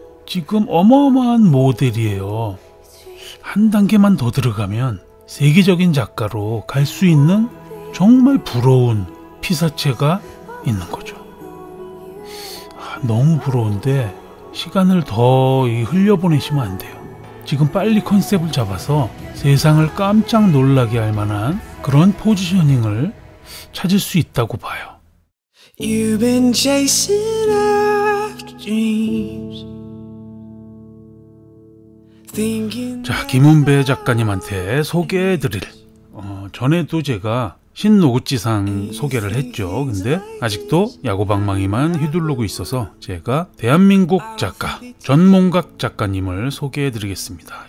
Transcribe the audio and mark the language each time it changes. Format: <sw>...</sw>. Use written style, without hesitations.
<ko>지금 어마어마한 모델이에요. 한 단계만 더 들어가면 세계적인 작가로 갈 수 있는 정말 부러운 피사체가 있는 거죠. 너무 부러운데 시간을 더 흘려보내시면 안 돼요. 지금 빨리 컨셉을 잡아서 세상을 깜짝 놀라게 할 만한 그런 포지셔닝을 찾을 수 있다고 봐요.</ko> <en>You've been chasing after dreams. Thinking.</en> <ko>자, 김은배 작가님한테 소개해드릴. 전에도 제가 신노구찌상 소개를 했죠. 근데 아직도 야구방망이만 휘둘르고 있어서 제가 대한민국 작가 전몽각 작가님을 소개해드리겠습니다.</ko>